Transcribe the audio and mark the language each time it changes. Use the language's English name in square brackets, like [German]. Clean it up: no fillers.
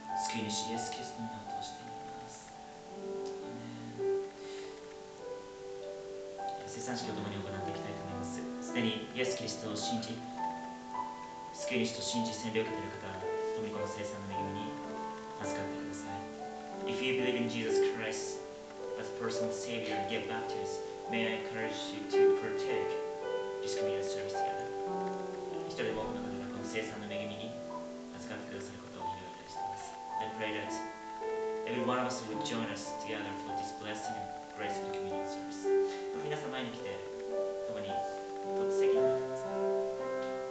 [Japanese] 救い主イエスキリストの名を通して祈ります。アメン。聖餐式を共に行っていきたいと思います。すでにイエスキリストを信じ救い主と信じ洗礼を受けている方、富子の聖餐の恵みに預かってください。 [English] If you believe in Jesus Christ as a personal Savior and get baptized, may I encourage you to partake this communion service together. [Japanese] 一人でも多くの方がこの聖餐の恵みに預かってくださることを祈っています。 [English] I pray that every one of us would join us together for this blessing and graceful communion service. [Japanese] 皆さん前に来て共に取って席に。